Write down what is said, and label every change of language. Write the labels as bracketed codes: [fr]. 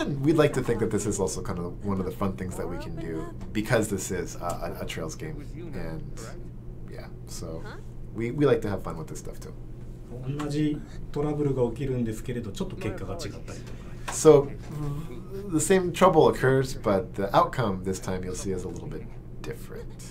[en] And we'd like to think that this is also kind of one of the fun things that we can do because this is a Trails game. And yeah, so we like to have fun with this stuff too. [ja] 同じトラブルが起きるんですけれど、ちょっと結果が違ったりとか。 [en] So, the same trouble occurs, but the outcome this time you'll see is a little bit different.